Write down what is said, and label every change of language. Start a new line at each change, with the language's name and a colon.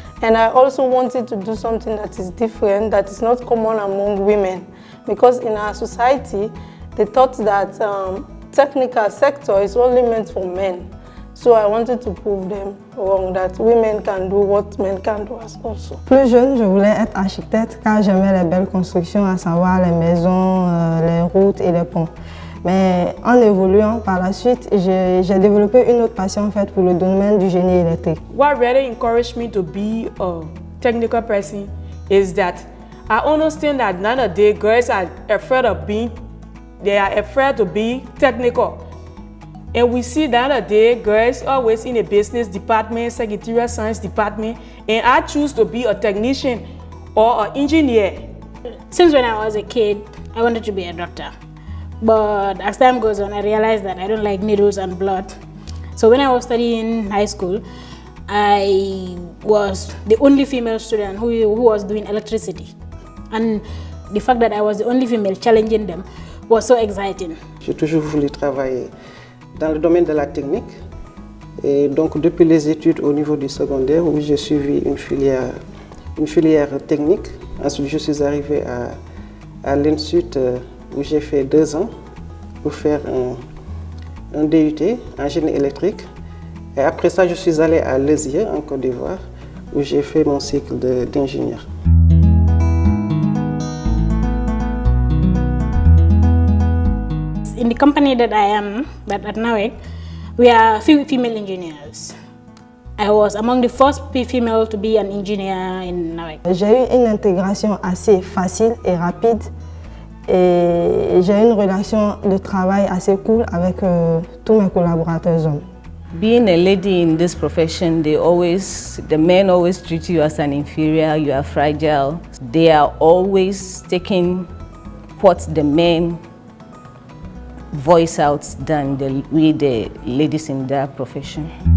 English: And I also wanted to do something that is different, that is not common among women. Because in our society, they thought that technical sector is only meant for men. So I wanted to prove them wrong, that women can do what men can do as also.
French: Plus jeune, je voulais être architecte car j'aimais les belles constructions, à savoir les maisons, les routes et les ponts. Mais en évoluant par la suite, j'ai développé une autre passion en fait pour le domaine du génie électrique.
English: What really encouraged me to be a technical person is that I understand that nowadays girls are afraid of being, they are afraid to be technical. And we see nowadays girls always in a business department, secretarial science department, and I choose to be a technician or an engineer. Since when I was a kid, I wanted to be a doctor. But as time goes on, I realized that I don't like needles and blood. So when I was studying in high school, I was the only female student who was doing electricity. And the fact that I was the only female challenging them was so exciting.
French: J'ai toujours voulu travailler dans le domaine de la technique. Et donc depuis les études au niveau du secondaire, où j'ai suivi une filière technique, ensuite je suis arrivé à l'Institut où j'ai fait 2 ans pour faire un DUT en génie électrique. Et après ça, je suis allé à Lezier, en Côte d'Ivoire, où j'ai fait mon cycle d'ingénieur.
English: In the company that I am, that at NAWEC, we are female engineers. I was among the first female to be an engineer in NAWEC.
French: J'ai eu une intégration assez facile et rapide. Et j'ai une relation de travail assez cool avec tous mes collaborateurs hommes.
English: Being a lady in this profession, the men always treat you as an inferior, you are fragile. They are always taking what the men voice out than the ladies in their profession.